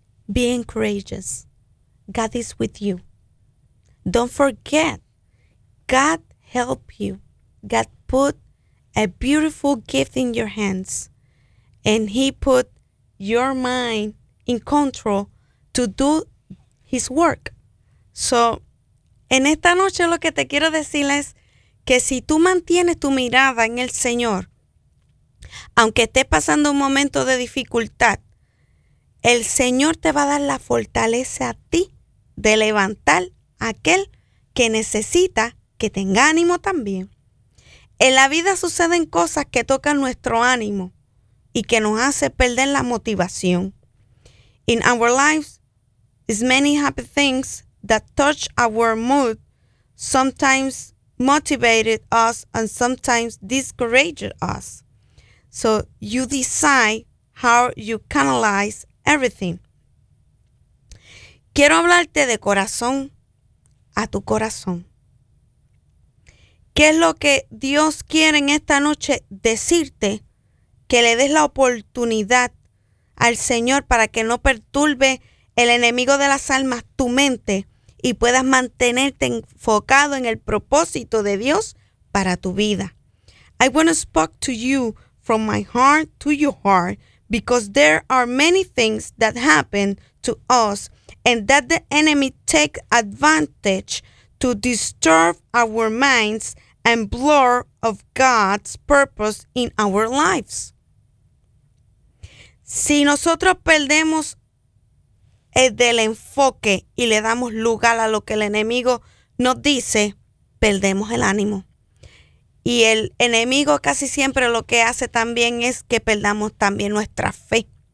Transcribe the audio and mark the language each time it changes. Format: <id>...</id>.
<en>Be courageous. God is with you. Don't forget. God help you. God put a beautiful gift in your hands. And he put your mind in control to do his work.</en> <es>So, en esta noche lo que te quiero decir es que si tú mantienes tu mirada en el Señor, aunque estés pasando un momento de dificultad, el Señor te va a dar la fortaleza a ti de levantar a aquel que necesita que tenga ánimo también. En la vida suceden cosas que tocan nuestro ánimo y que nos hace perder la motivación.</es> <en>In our lives, there's many happy things that touch our mood, sometimes motivated us and sometimes discouraged us. So you decide how you canalize everything.</en> <es>Quiero hablarte de corazón a tu corazón. ¿Qué es lo que Dios quiere en esta noche decirte? Que le des la oportunidad al Señor para que no perturbe el enemigo de las almas tu mente y puedas mantenerte enfocado en el propósito de Dios para tu vida.</es> <en>I want to speak to you from my heart to your heart because there are many things that happen to us and that the enemy take advantage to disturb our minds and blur of God's purpose in our lives.</en> <es>Si nosotros perdemos el del enfoque y le damos lugar a lo que el enemigo nos dice, perdemos el ánimo. Y el enemigo casi siempre lo que hace también es que perdamos también nuestra fe.</es>